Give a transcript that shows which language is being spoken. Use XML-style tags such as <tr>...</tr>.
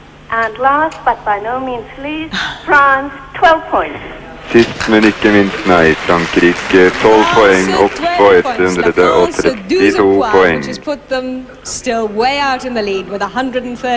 <en>And last, but by no means least, France, 12 points.</en> <no>Sist men ikke minst, nei, Frankrike, 12 poeng opp på 132 poeng.</no> <en>Which has put them still way out in the lead with 132.</en>